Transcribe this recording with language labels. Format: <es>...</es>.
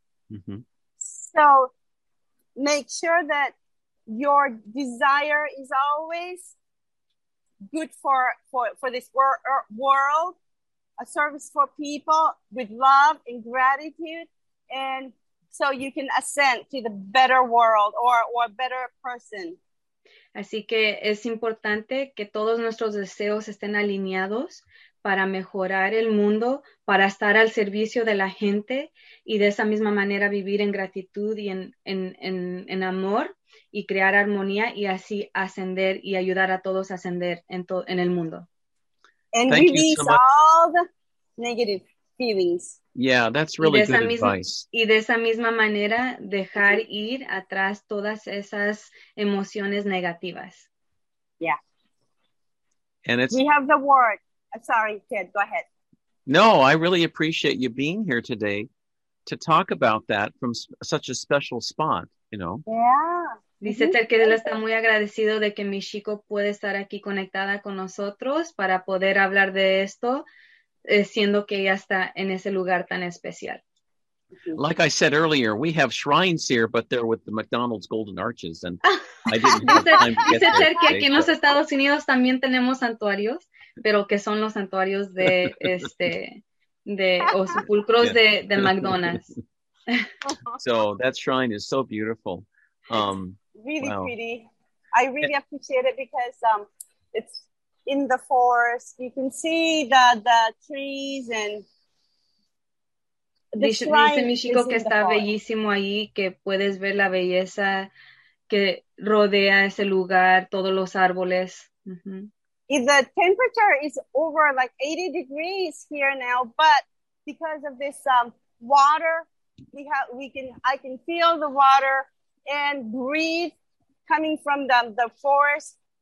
<en>Mm-hmm. So make sure that your desire is always good for this world, a service for people with love and gratitude, and so you can ascend to the better world or a better person.</en> <es>Así que es importante que todos nuestros deseos estén alineados para mejorar el mundo, para estar al servicio de la gente y de esa misma manera vivir en gratitud y en amor y crear armonía y así ascender y ayudar a todos a ascender en el mundo.</es> <en>And thank release you so much. All the negative feelings. Yeah, that's really good advice.</en> <es>Y de esa misma manera dejar ir atrás todas esas emociones negativas.</es> <en>Yeah. And it's, we have the word. Sorry, Ted, go ahead. No, I really appreciate you being here today to talk about that from such a special spot, you know. Yeah.</en> <es>Dice Ted que él está muy agradecido de que Michiko puede estar aquí conectada con nosotros para poder hablar de esto, siendo que ella está en ese lugar tan especial.</es> <en>Like I said earlier, we have shrines here, but they're with the McDonald's Golden Arches, and I didn't have the time to get there.</en> <es>Dice Ted que aquí en los Estados Unidos también tenemos santuarios, pero que son los santuarios de o sepulcros de McDonald's.</es> <en>So that shrine is so beautiful. Really wow. Pretty. I really appreciate it because it's in the forest. You can see the trees and the shrine.</en> <es>Dice Michiko que está bellísimo ahí, que puedes ver la belleza que rodea ese lugar, todos los árboles.</es> <en>If the temperature is over like 80 degrees here now, but because of this water, I can feel the water and breathe coming from the forest.</en>